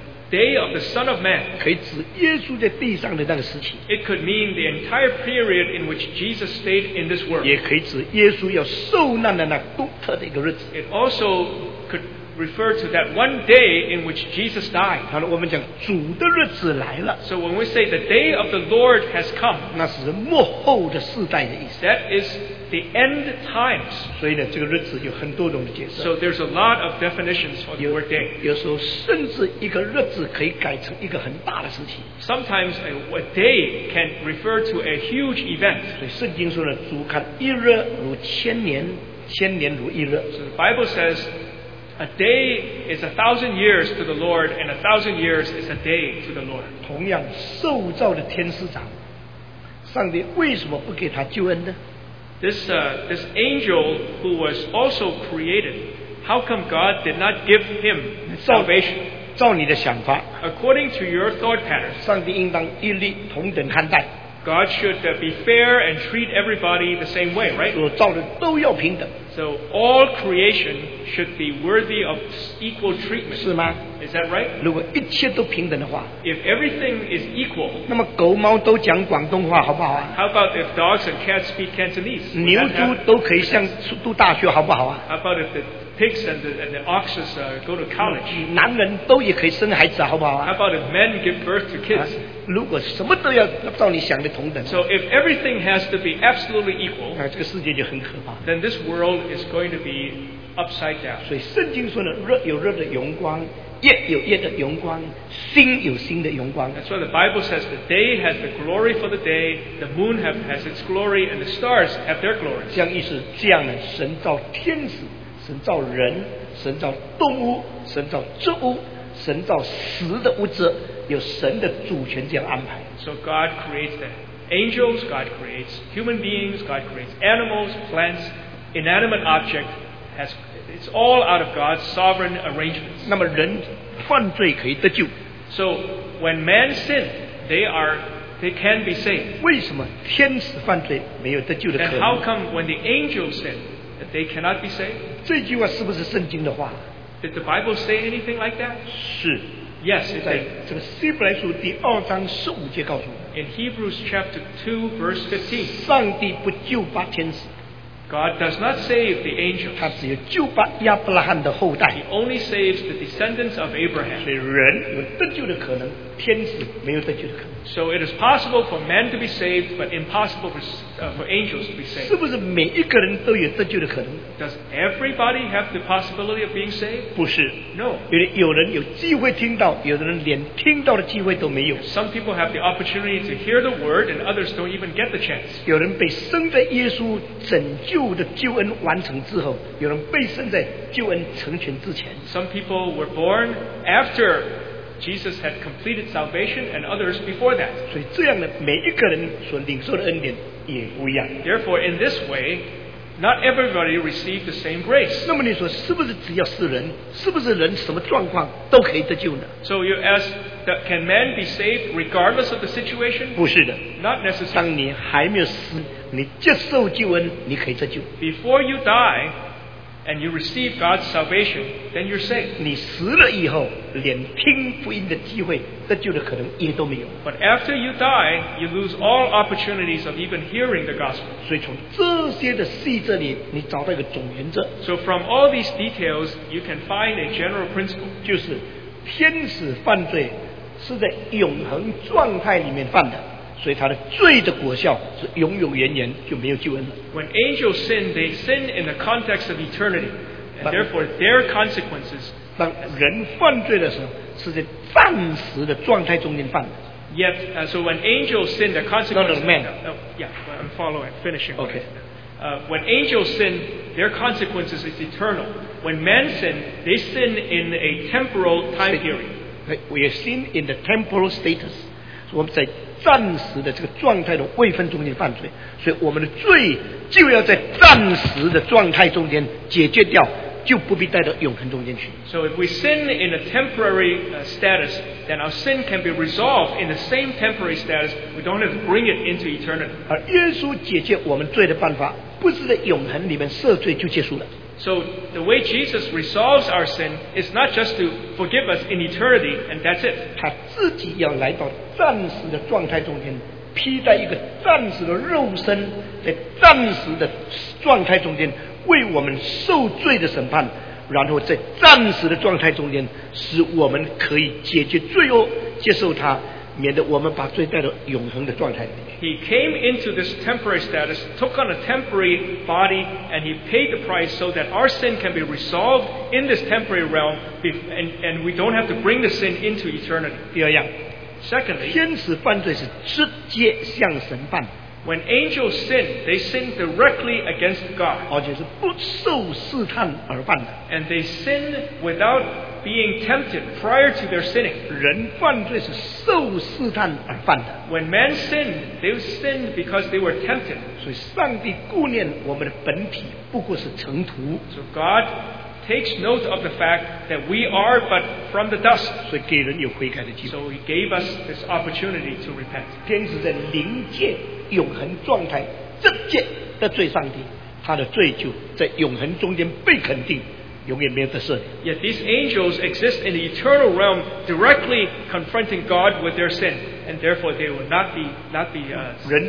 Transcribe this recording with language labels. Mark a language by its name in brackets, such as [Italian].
[English] Day of the Son of Man. It could mean the entire period in which Jesus stayed in this world. It also could refer to that one day in which Jesus died. [Chinese] 他说我们讲主的日子来了, [English] so when we say the day of the Lord has come, [Chinese] 那是幕后的世代的意思, [English] that is the end times. [Chinese] 所以呢, [English] so there's a lot of definitions for the word day. [Chinese] 有时候甚至一个日子可以改成一个很大的事情, [English] sometimes a day can refer to a huge event. [Chinese] 所以圣经说呢, 主看一日如千年, 千年如一日, [English] so the Bible says a day is a thousand years to the Lord, and a thousand years is a day to the Lord. [Chinese] 同样受造的天使长, 上帝为什么不给他救恩呢? [English] This angel who was also created, how come God did not give him salvation? [Chinese] 照你的想法, [English] according to your thought pattern, [Chinese] 上帝应当一律同等看待, [English] God should be fair and treat everybody the same way, right? [Chinese] 所造的都要平等, [English] so all creation should be worthy of equal treatment. [Chinese] 是吗? [English] Is that right? [Chinese] 如果一切都平等的话, [English] if everything is equal, [Chinese] 那么狗猫都讲广东话, [English] how about if dogs and cats speak Cantonese? [Chinese] 牛猪都可以上读大学, [English] how about if the pigs and the oxes go to college? [Chinese] 男人都也可以生孩子, [English] how about if men give birth to kids? [Chinese] 如果什么都要照你想的同等, [English] so if everything has to be absolutely equal, [Chinese] 这个世界就很可怕, [English] then this world is going to be upside down. [Chinese] 所以圣经说呢, 热有热的荣光, 夜有夜的荣光, 星有星的荣光, [English] that's why the Bible says the day has the glory for the day, the moon has its glory, and the stars have their glory. [Chinese] 这样意思这样呢, 神造天使, 神造人, 神造动物, 神造植物, 神造死的物质, 有神的主权这样安排, [English] so God creates the angels, God creates human beings, God creates animals, plants, inanimate objects, it's all out of God's sovereign arrangements. [Chinese] 那么人犯罪可以得救, [English] so when man sinned, they can be saved. [Chinese] 为什么天使犯罪没有得救的可能? [English] And how come when the angels sinned, that they cannot be saved? [Chinese] 这句话是不是圣经的话? [English] Did the Bible say anything like that? [Chinese] 是, [English] yes, in Hebrews chapter 2, verse 15, [Chinese] 上帝不救拔天使, [English] God does not save the angels. [Chinese] 他只有救拔亚伯拉罕的后代, [English] he only saves the descendants of Abraham. [Chinese] 所以人有得救的可能, 天使没有得救的可能, [English] so it is possible for men to be saved, but impossible for angels to be saved. [Chinese] 是不是每一个人都有得救的可能? [English] Does everybody have the possibility of being saved? [Chinese] 不是, [English] no. [Chinese] 有人有机会听到, 有人连听到的机会都没有, [English] some people have the opportunity to hear the word, and others don't even get the chance. [Chinese] 有人被生在耶稣拯救的救恩完成之后, 有人被生在救恩成全之前, [English] some people were born after Jesus had completed salvation, and others before that. [Chinese] 所以这样的每一个人所领受的恩典也不一样, [English] therefore in this way not everybody received the same grace. [Chinese] 那么你说是不是只要是人, 是不是人什么状况都可以得救呢? [English] So you ask that can man be saved regardless of the situation? [Chinese] 不是的, [English] not necessarily. [Chinese] 当你还没有死, 你接受救恩, 你可以得救, [English] before you die and you receive God's salvation, then you're saved. [Chinese] 你死了以后, 连听福音的机会得救的可能也都没有, [English] but after you die, you lose all opportunities of even hearing the gospel. [Chinese] 所以从这些的细则里, 你找到一个总原则, [English] so from all these details, you can find a general principle. [Chinese] 就是天使犯罪, 是在永恒状态里面犯的, 所以他的罪的果效是永永远远, 就没有救恩了。 [English] When angels sin, they sin in the context of eternity, and therefore their consequences. 当人犯罪的时候, 是在暂时的状态中间犯的。 Yet, so when angels sin, the consequences. No, man. Yeah, I'm following, finishing. Okay. When angels sin, their consequences is eternal. When men sin, they sin in a temporal time period. We are sin in the temporal status. [Chinese] 我们在 暂时的这个状态的位分中间犯罪, 所以我们的罪就要在暂时的状态中间解决掉, 就不必带到永恒中间去。 [English] So if we sin in a temporary status, then our sin can be resolved in the same temporary status. We don't have to bring it into eternity. [Chinese] 而耶稣解决我们罪的办法, 不是在永恒里面赦罪就结束了。 [English] So the way Jesus resolves our sin is not just to forgive us in eternity and that's it. [Chinese] 他自己要来到暂时的状态中间, 披戴一个暂时的肉身, 在暂时的状态中间, 为我们受罪的审判, 然后在暂时的状态中间，使我们可以解决罪恶，接受他，免得我们把罪带到永恒的状态里面。 [English] He came into this temporary status, took on a temporary body, and he paid the price so that our sin can be resolved in this temporary realm, and we don't have to bring the sin into eternity. [Chinese] 第二样。 [English] Secondly, [Chinese] 天使犯罪是直接向神犯。 [English] When angels sin, they sin directly against God. [Chinese] 而且是不受试探而犯的。 [English] And they sin without being tempted prior to their sinning. [Chinese] 人犯罪是受试探而犯的。 [English] When men sin, they sin because they were tempted. [Chinese] 所以上帝顾念我们的本体不过是尘土。 [English] So God takes note of the fact that we are but from the dust. [Chinese] 所以给人有悔改的机会。 [English] So he gave us this opportunity to repent. [Chinese] 天使在灵界永恒状态直接得罪上帝，他的罪就在永恒中间被肯定，永远没有得赦。 [English] Yet these angels exist in the eternal realm directly confronting God with their sin, and therefore they will not be saved.